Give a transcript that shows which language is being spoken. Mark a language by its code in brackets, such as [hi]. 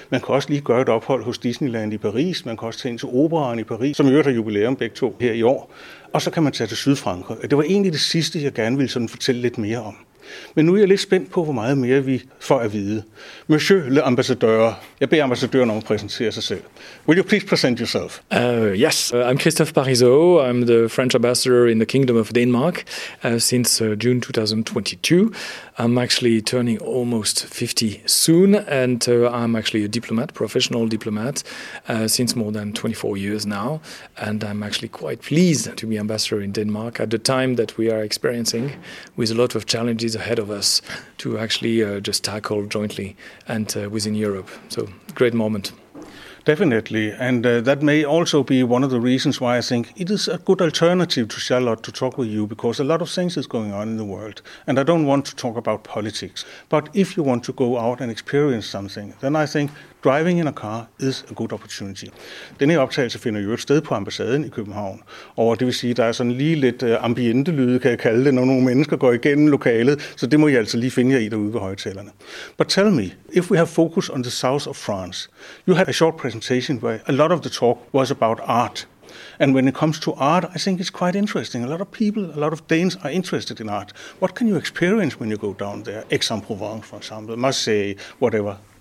[da] Man kan også lige gøre et ophold hos Disneyland i Paris. Man kan også tage ind til Operaen i Paris, som i øvrigt har jubilæum begge to her i år. Og så kan man tage til Sydfrankrig. Det var egentlig det sidste, jeg gerne ville sådan fortælle lidt mere om. Men nu er jeg lidt spændt på, hvor meget mere vi får at vide. [fr] Monsieur le ambassadeur, [da] jeg beder ambassadøren om at præsentere sig selv. [en] Will you please present yourself? Yes, I'm Christophe Parizeau. I'm the French ambassador in the Kingdom of Denmark since June 2022. I'm actually turning almost 50 soon and I'm actually a diplomat, professional diplomat, since more than 24 years now. And I'm actually quite pleased to be ambassador in Denmark at the time that we are experiencing with a lot of challenges ahead of us to actually just tackle jointly and within Europe. So, great moment. Definitely, and that may also be one of the reasons why I think it is a good alternative to Charlotte to talk with you, because a lot of things is going on in the world, and I don't want to talk about politics. But if you want to go out and experience something, then I think driving in a car is a good opportunity. [da] Denne optagelse finder jo et sted på ambassaden i København, og det vil sige, at der er sådan lige lidt ambiente lyde, kan jeg kalde det, når nogle mennesker går igennem lokalet, så det må I altså lige finde jer i derude ved højtalerne. [en] But tell me, if we have focus on the south of France, you had a short presentation where a lot of the talk was about art. And when it comes to art, I think it's quite interesting. A lot of people, a lot of Danes are interested in art. What can you experience when you go down there? Aix-en-Provence, for example, Marseille, whatever.